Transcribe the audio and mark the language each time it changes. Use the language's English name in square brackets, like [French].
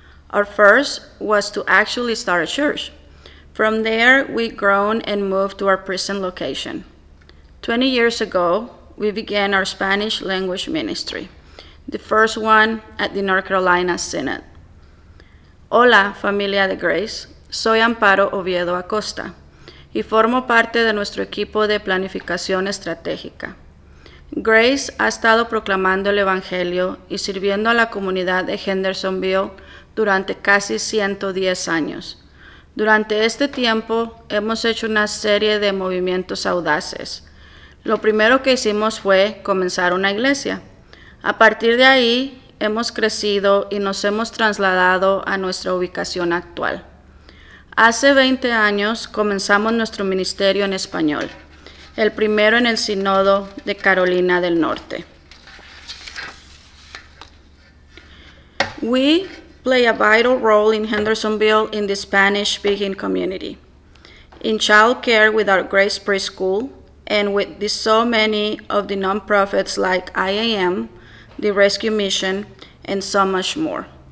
[English] Our first was to actually start a church. From there, we've grown and moved to our prison location. 20 years ago, we began our Spanish language ministry, the first one at the North Carolina Synod. [Spanish] Hola, familia de Grace. Soy Amparo Oviedo Acosta y formo parte de nuestro equipo de planificación estratégica. Grace ha estado proclamando el Evangelio y sirviendo a la comunidad de Hendersonville durante casi 110 años. Durante este tiempo, hemos hecho una serie de movimientos audaces. Lo primero que hicimos fue comenzar una iglesia. A partir de ahí, hemos crecido y nos hemos trasladado a nuestra ubicación actual. Hace 20 años comenzamos nuestro ministerio en español, el primero en el Sínodo de Carolina del Norte. [English] We play a vital role in Hendersonville in the Spanish-speaking community, in child care with our Grace Preschool, and with the so many of the nonprofits like IAM, the Rescue Mission, and so much more.